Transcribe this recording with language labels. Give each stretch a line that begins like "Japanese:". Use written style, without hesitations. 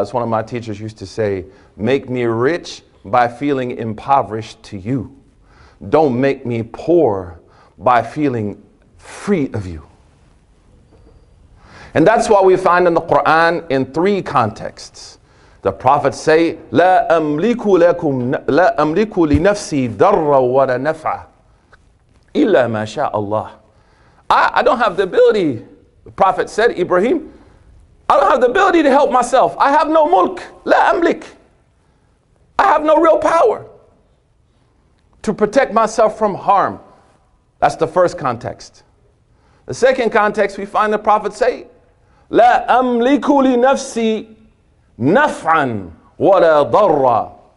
English: As one of my teachers used to say, make me rich by feeling impoverished to you. Don't make me poor by feeling free of you. And that's what we find in the Quran in three contexts. The Prophet say,
Arabic: لا أملك لنفسي ضرا ولا نفعا. إِلَّا مَا شَاءَ اللَّهِ.
English: I don't have the ability, the Prophet said, Ibrahim, I don't have the ability to help myself. I have no mulk.
Arabic: لَا أَمْلِكُ.
English: I have no real power to protect myself from harm. That's the first context. The second context, we find the Prophet say,
Arabic: لَا أَمْلِكُ لِنَفْسِي نَفْعًا وَلَا ضَرًّا.